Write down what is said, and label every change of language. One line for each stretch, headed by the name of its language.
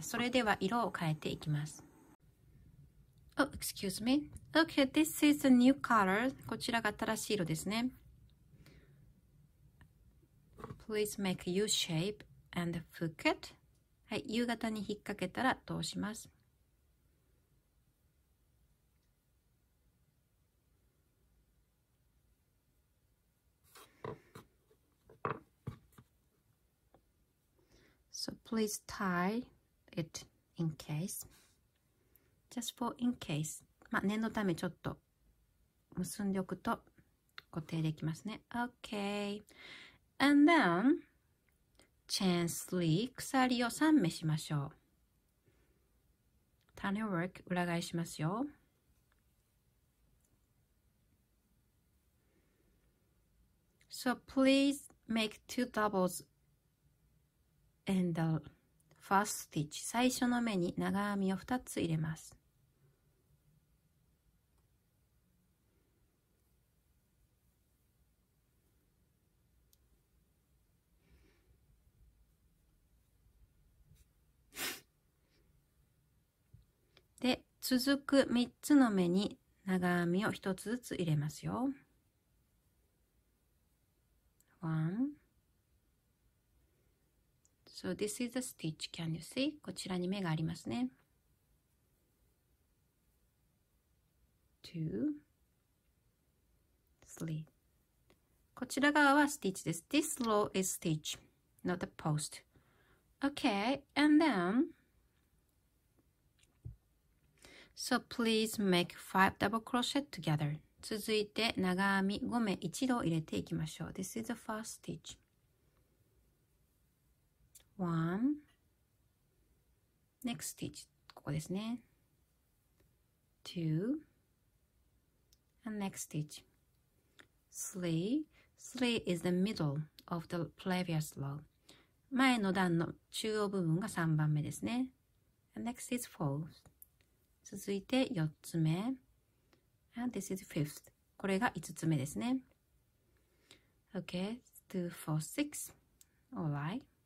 Japanese: それでは色を変えていきます。
English: Oh, excuse me. Okay, this is a new color.
Japanese: こちらが新しい色ですね。
English: Please make a U shape and hook it.
Japanese: はい、U 型に引っ掛けたら通します。
English: So please tie it in case. Just for in case.
Japanese: まあ念のためちょっと結んでおくと固定できますね。
English: Okay. And then, chain three
Japanese: 鎖を3目しましょう。
English: Tunnel work
Japanese: 裏返しますよ。
English: So please make two doubles in the first stitch.
Japanese: 最初の目に長編みを2つ入れます。で、続く3つの目に長編みを1つずつ入れますよ。
English: One. So this is a stitch. Can you see?
Japanese: こちらに目がありますね。
English: Two, three.
Japanese: こちら側はステッチです。
English: This row is stitch, not a post. Okay, and then, so please make five double crochet together.
Japanese: 続いて長編み5目一度入れていきましょう。
English: This is the first stitch. One. Next stitch.
Japanese: ここですね。
English: Two. And next stitch. Three. Three is the middle of the previous row.
Japanese: 前の段の中央部分が3番目ですね。
English: And next is four.
Japanese: 続いて4つ目。
English: And this is fifth.
Japanese: これが5つ目ですね。
English: Okay, 2, 4, 6. All right.